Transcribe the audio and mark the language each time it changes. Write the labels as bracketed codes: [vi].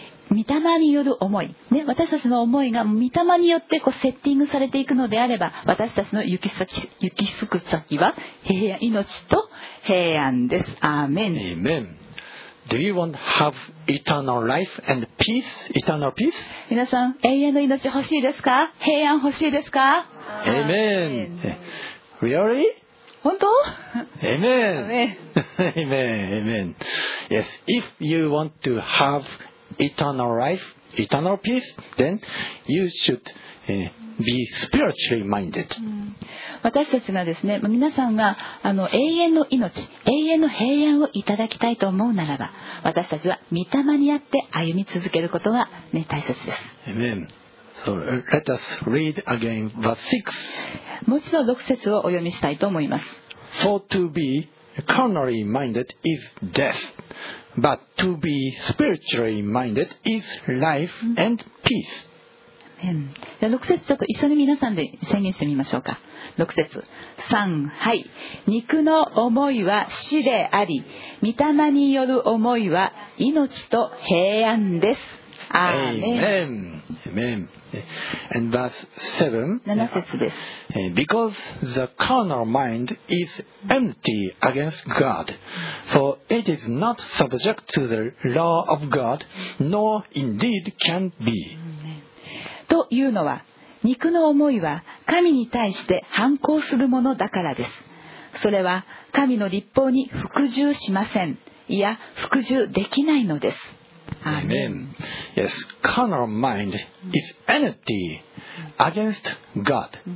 [ja] 御霊による思い、ね、私たちの思いが御霊によってこうセッティングされていくのであれば、私たちの行き先は命と平安です。アーメン。 [en] Amen. Do you want have eternal life and peace? Eternal peace? [ja] 皆さん、永遠の命欲しいですか？平安欲しいですか？ [en] Amen. Amen. Really? [ja] 本当？ [en] Amen. Amen. Amen. Yes. If you want to have eternal life, eternal peace, then you should be spiritually minded. [ja] 私たちがですね、皆さんが永遠の命、永遠の平安をいただきたいと思うならば、私たちは御霊にあって歩み続けることが、ね、大切です。 [en] Amen. So let us read again verse 6. [ja] もう一度6節をお読みしたいと思います。 [en] For to be carnally minded is death, but to be spiritually minded is life and peace. [ja] 6節ちょっと一緒に皆さんで宣言してみましょうか。6節、3、はい、肉の思いは死であり、御霊による思いは命と平安です。アーメン。 [en] Amen. Amen. And verse 7, [ja] 7節です。 [en] Because the carnal mind is empty against God, for it is not subject to the law of God, nor indeed can be [ja] というのは、肉の思いは神に対して反抗するものだからです。それは神の律法に服従しません。いや、服従できないのです。 [en] アーメン。Yes, carnal mind is enmity against God.